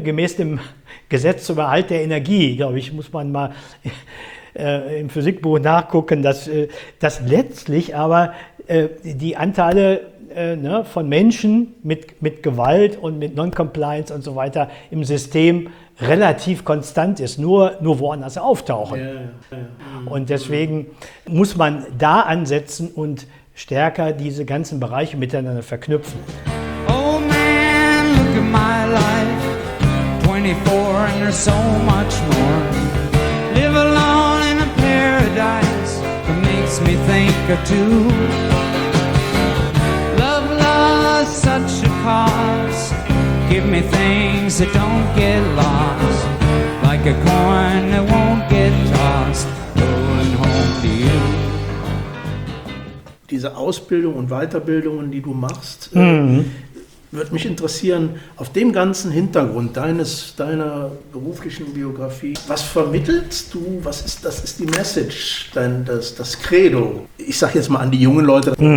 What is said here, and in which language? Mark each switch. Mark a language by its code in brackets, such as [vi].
[de] Gemäß dem Gesetz zum Erhalt der Energie, glaube ich, muss man mal im Physikbuch nachgucken, dass letztlich aber die Anteile von Menschen mit Gewalt und mit Non-Compliance und so weiter im System relativ konstant ist, nur woanders auftauchen. Und deswegen muss man da ansetzen und stärker diese ganzen Bereiche miteinander verknüpfen. [en] Oh man, look at my life, 24 and there's so much more. Live alone in a paradise that makes me think of two. Love lost such a cause, give me things that don't get lost, like a coin that won't get tossed, going home to you. [de] Diese Ausbildung und Weiterbildungen, die du machst, würde mich interessieren, auf dem ganzen Hintergrund deiner beruflichen Biografie, was vermittelst du, was ist die Message, das Credo? Ich sage jetzt mal an die jungen Leute.